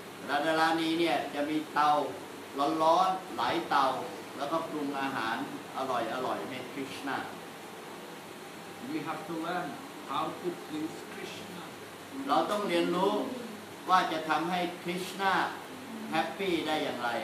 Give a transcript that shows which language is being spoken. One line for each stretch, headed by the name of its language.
Thai: Radharani, เนี่ยจะมีเตาร้อนๆหลายเตาแล้วก็ปรุงอาหารอร่อยๆให้ Krishna.
English: We have to learn how to please Krishna.
Thai: เราต้องเรียนรู้ว่าจะทำให้คริสต์นาแฮปปี้ได้อย่างไร